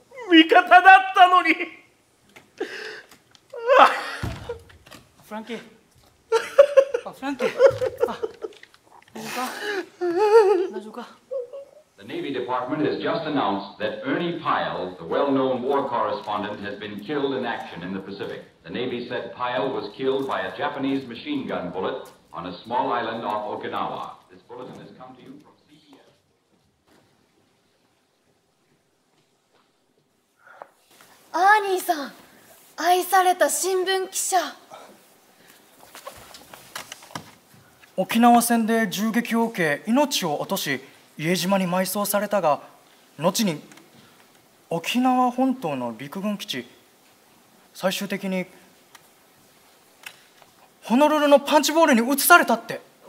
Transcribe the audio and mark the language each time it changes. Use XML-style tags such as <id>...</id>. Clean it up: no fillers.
<ja>味方だったのに。フランキー、あ、フランキー、あ、大丈夫か、大丈夫か。</ja> <en>The Navy Department has just announced that Ernie Pyle, the well-known war correspondent, has been killed in action in the Pacific. The Navy said Pyle was killed by a Japanese machine gun bulletOn a small island off Okinawa. This bulletin has come to you from CES.</en> <ja>アーニーさん、愛された新聞記者。沖縄戦で銃撃を受け命を落とし、伊江島に埋葬されたが、後に沖縄本島の陸軍基地、最終的にホノルルのパンチボールに移されたって。</ja>